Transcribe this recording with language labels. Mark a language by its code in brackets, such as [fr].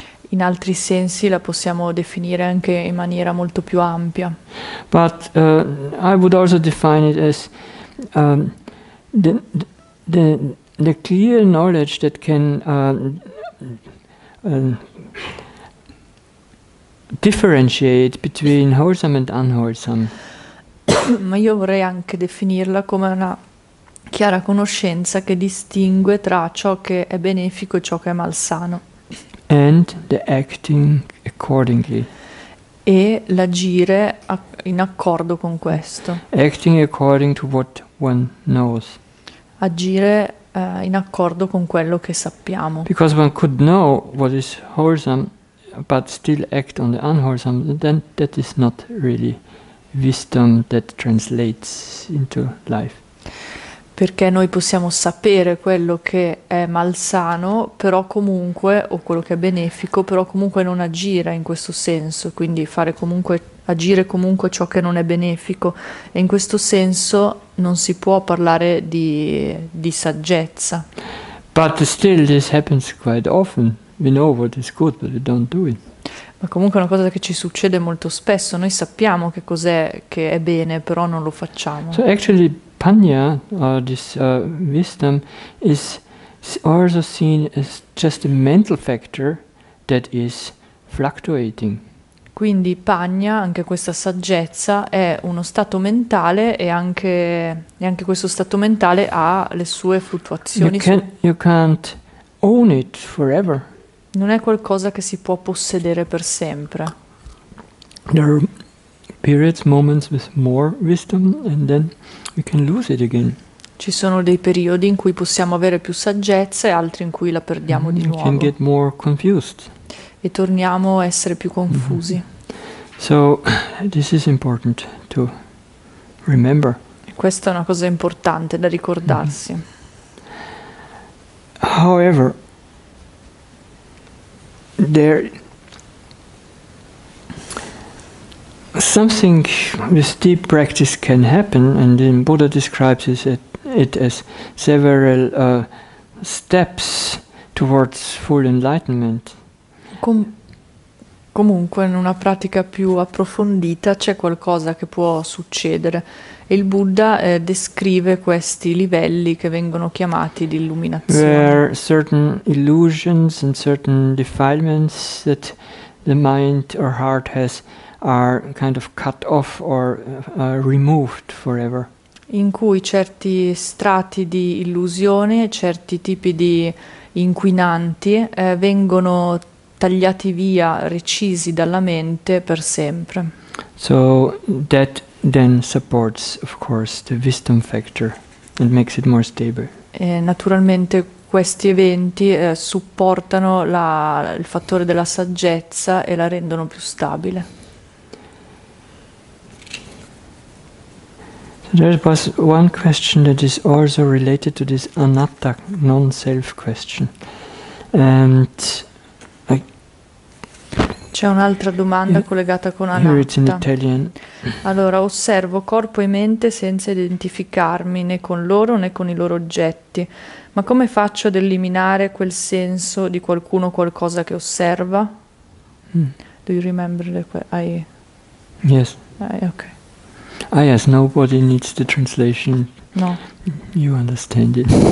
[it] In altri sensi la possiamo definire anche in maniera molto più ampia. [en] But I would also define it as the clear knowledge that can differentiate between wholesome and unwholesome. [it] Ma io vorrei anche definirla come una chiara conoscenza che distingue tra ciò che è benefico e ciò che è malsano. [en] And the acting accordingly. [it] E l'agire in accordo con questo. [en] Acting according to what one knows. [it] Agire in accordo con quello che sappiamo. [en] Because one could know what is wholesome but still act on the unwholesome, then that is not really wisdom that translates into life. [it] Perché noi possiamo sapere quello che è malsano, però comunque, o quello che è benefico, però comunque non agire in questo senso, quindi fare comunque, agire comunque ciò che non è benefico. E in questo senso non si può parlare di saggezza. [en] But still this happens quite often. We know what is good, but we don't do it. [it] Ma comunque è una cosa che ci succede molto spesso. Noi sappiamo che cos'è che è bene, però non lo facciamo. [en] So actually, panya, or this wisdom, is also seen as just a mental factor that is fluctuating. [it] Quindi panya, anche questa saggezza, è uno stato mentale e anche questo stato mentale ha le sue fluttuazioni. [en] You can't own it forever. [it] Non è qualcosa che si può possedere per sempre. [en] There are periods, moments with more wisdom and then we can lose it again. [it] Ci sono dei periodi in cui possiamo avere più saggezza e altri in cui la perdiamo di nuovo. [en] We can get more confused. [it] E torniamo a essere più confusi. [en] So this is important to remember. [it] Questa è una cosa importante da ricordarsi. [en] However, there something with deep practice can happen, and then Buddha describes it as several steps towards full enlightenment. [it] Comunque in una pratica più approfondita c'è qualcosa che può succedere e il Buddha descrive questi livelli che vengono chiamati di illuminazione. [en] There are certain illusions and certain defilements that the mind or heart has are kind of cut off or removed forever. [it] In cui certi strati di illusione, certi tipi di inquinanti vengono tagliati via, recisi dalla mente per sempre. [en] So that then supports, of course, the wisdom factor and makes it more stable. [it] E naturalmente questi eventi supportano il fattore della saggezza e la rendono più stabile. [en] So there was one question that is also related to this anatta, non-self question. And [it] c'è un'altra domanda collegata con Anatta. Allora, osservo corpo e mente senza identificarmi né con loro né con i loro oggetti. Ma come faccio ad eliminare quel senso di qualcuno o qualcosa che osserva? [en] Do you remember the question? Yes. Okay. Ah, yes, nobody needs the translation. No. You understand it.